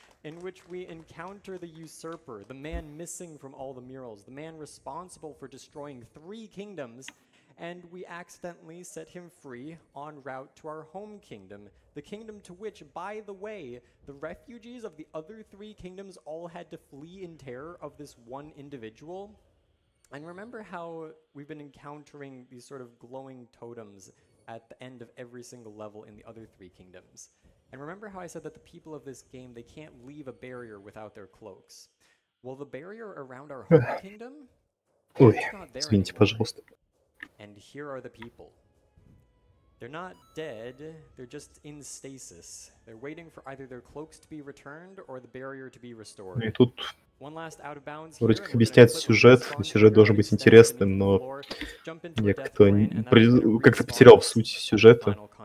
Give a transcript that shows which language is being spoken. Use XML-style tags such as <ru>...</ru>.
<en>in which we encounter the usurper, the man missing from all the murals, the man responsible for destroying three kingdoms, and we accidentally set him free en route to our home kingdom, the kingdom to which, by the way, the refugees of the other three kingdoms all had to flee in terror of this one individual. And remember how we've been encountering these sort of glowing totems at the end of every single level in the other three kingdoms? And remember how I said that the people of this game, they can't leave a barrier without their cloaks? Well, the barrier around our home kingdom?</en> <ru>Ой, извините, пожалуйста.</ru> <en>And here are the people. They're not dead, they're just in stasis. They're waiting for either their cloaks to be returned or the barrier to be restored.</en> <ru>И тут... Вроде как объясняет сюжет, но сюжет должен быть интересным, но я как-то потерял суть сюжета.</ru>